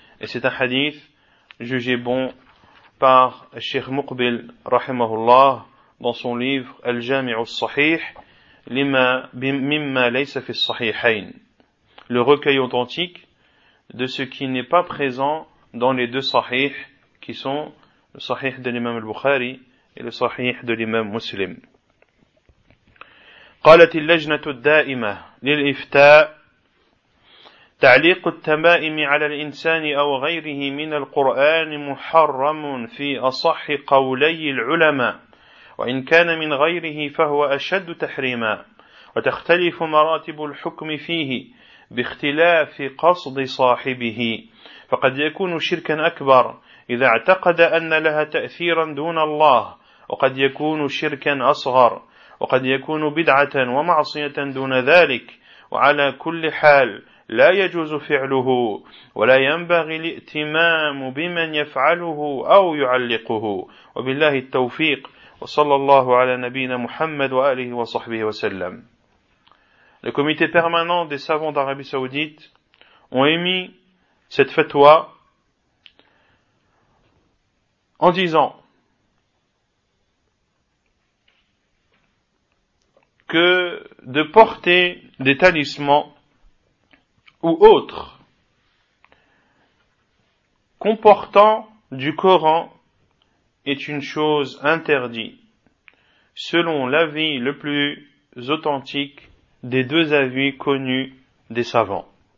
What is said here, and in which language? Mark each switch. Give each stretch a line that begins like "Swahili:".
French: Et c'est un hadith jugé bon par Cheikh Muqbil rahimahullah dans son livre Al-Jami'u al-Sahih mimma laysa fi al-Sahihayn, le recueil authentique de ce qui n'est pas présent dans les deux sahih qui sont le sahih de l'imam al-Bukhari et le sahih de l'imam Muslim.
Arabic: قالت اللجنة الدائمة للإفتاء تعليق التمائم على الإنسان أو غيره من القرآن محرم في أصح قولي العلماء وإن كان من غيره فهو أشد تحريما وتختلف مراتب الحكم فيه باختلاف قصد صاحبه، فقد يكون شركا أكبر إذا اعتقد أن لها تأثيرا دون الله، وقد يكون شركا أصغر، وقد يكون بدعة ومعصية دون ذلك. وعلى كل حال لا يجوز فعله، ولا ينبغي الائتمام بمن يفعله أو يعلقه. وبالله التوفيق، وصلى الله على نبينا محمد وآله وصحبه وسلم.
French: Le comité permanent des savants d'Arabie Saoudite ont émis cette fatwa en disant que de porter des talismans ou autres comportant du Coran est une chose interdite, selon l'avis le plus authentique des deux avis connus des savants.